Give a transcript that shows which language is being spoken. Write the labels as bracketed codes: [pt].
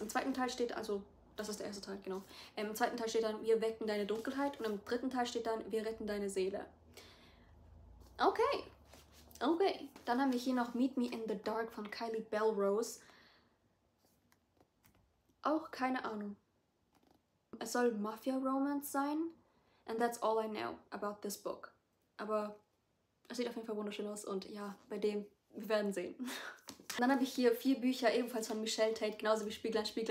[de] Im zweiten Teil steht also... Das ist der erste Teil, genau. Im zweiten Teil steht dann, wir wecken deine Dunkelheit. Und im dritten Teil steht dann, wir retten deine Seele. Okay. Okay. Dann haben wir hier noch Meet Me in the Dark von Kylie Bellrose. Auch keine Ahnung. Es soll Mafia-Romance sein. [en] And that's all I know about this book. [de] Aber es sieht auf jeden Fall wunderschön aus. Und ja, bei dem, wir werden sehen. Dann habe ich hier 4 Bücher, ebenfalls von Michelle Tate, genauso wie Spieglein.